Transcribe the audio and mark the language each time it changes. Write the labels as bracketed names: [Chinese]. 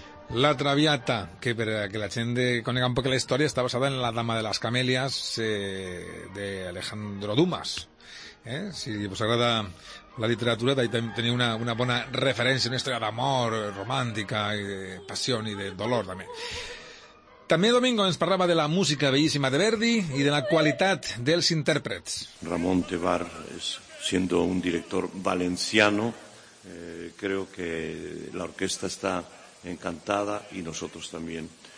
[Spanish] La Traviata, que la gente conozca un poco la historia, está basada en La Dama de las Camelias de Alejandro Dumas. Si os agrada la literatura, ahí tenía una buena referencia, una historia de amor, romántica, pasión y de dolor también. [Catalan] També Domingo ens parlava de la música bellíssima de Verdi i de la qualitat dels intèrprets. [Spanish] Ramon Tebar, siendo un director valenciano, creo que la orquesta está encantada y nosotros también.